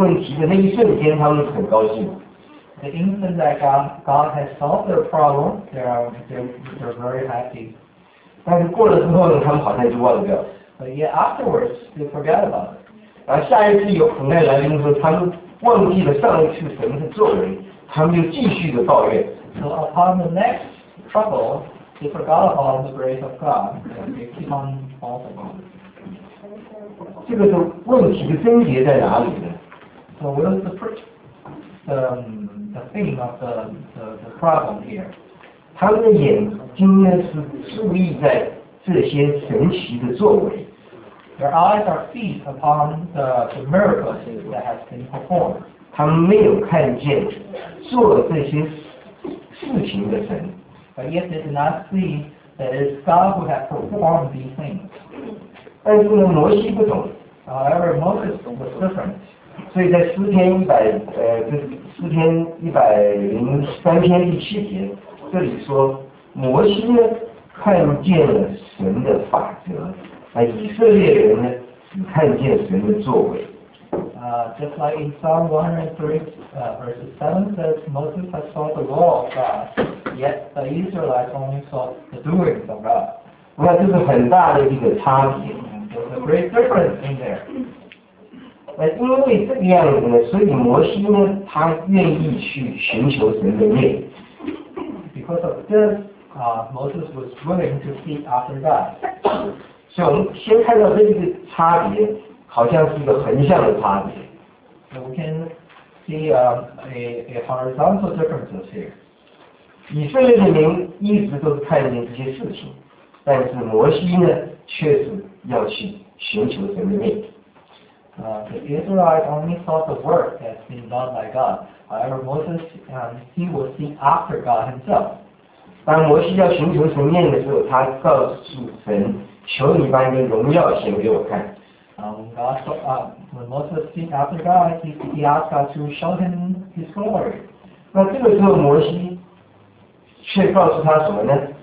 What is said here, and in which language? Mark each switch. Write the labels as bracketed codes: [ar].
[zh] 给他们的恩典解决了这个问题的那一瞬间，他们很高兴。 [en] The instant that God has solved their problem, they're very happy. [zh] 但是过了之后呢，他们好像就忘掉。 [en] But yet afterwards, they forget about it. [zh] 然后下一次有苦难来临的时候，他们忘记了上一次神的作为，他们就继续的抱怨。 [en] So upon the next trouble, they forgot about the grace of God, and they keep on falling. [zh] 这个问题的症结在哪里呢？ [en] So what is the theme of the problem here? [zh] 他们的眼睛呢是注意在这些神奇的作为。 [en] Their eyes are fixed upon the miracles that have been performed. [zh] 他们没有看见做这些事情的神。 [en] But yet they did not see that it is God who had performed these things. [zh] 但是呢，摩西不懂。 [en] However, Moses was different. [zh] 所以在诗篇一百就是诗篇一百零三篇第七节，这里说摩西呢看见了神的法则，而以色列人呢只看见神的作为。 [en] Just like in Psalm 103, verse 7 says, Moses has saw the law of God, yet the Israelites only saw the doings of God. [zh] 那这是很大的一个差别。 [en] There's a great difference in there. [zh] 因为这个样子呢，所以摩西呢，他愿意去寻求神的面。 [en] Because of this, Moses was willing to seek after God. [zh] 所以我们先看到这个差别，好像是一个横向的差别。 [en] So we can see a horizontal differences here. [zh] 以色列的民一直都是看见这些事情，但是摩西呢，却是要去寻求神的面。 [en] The Israelites only saw the work that's been done by God. However, Moses, he will seek after God himself. [zh] 当摩西要寻求神面的时候，他告诉神，求你把你的荣耀显给我看。 [en] When Moses seeks after God, he asks God to show him his glory. [zh] 那这个时候摩西却告诉他什么呢？